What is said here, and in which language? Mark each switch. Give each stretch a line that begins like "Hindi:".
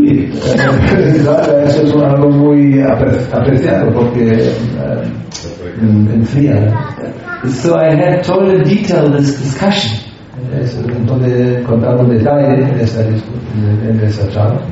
Spanish: Claro, eso es algo muy apreciado porque enfría.
English: So I had told in detail this discussion.
Spanish: Entonces contando en detalle esa discusión, esa charla.